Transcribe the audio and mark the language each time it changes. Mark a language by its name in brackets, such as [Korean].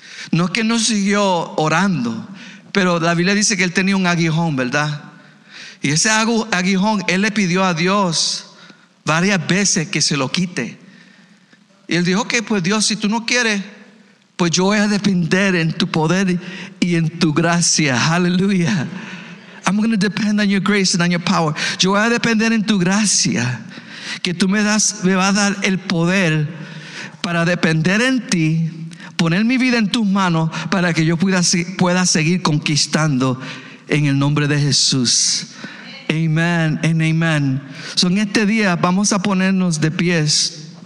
[Spanish] No es que no siguió orando, pero la Biblia dice que él tenía un aguijón, ¿verdad? Y ese aguijón, él le pidió a Dios varias veces que se lo quite. Y él dijo, ok, pues Dios, si tú no quieres, pues yo voy a depender en tu poder y en tu gracia. Aleluya. [English] I'm going to depend on your grace and on your power. [Spanish] Yo voy a depender en tu gracia, que tú me vas a dar el poder para depender en ti, poner mi vida en tus manos para que yo pueda seguir conquistando en el nombre de Jesús. Amén, en amén. So en este día vamos a ponernos de pies.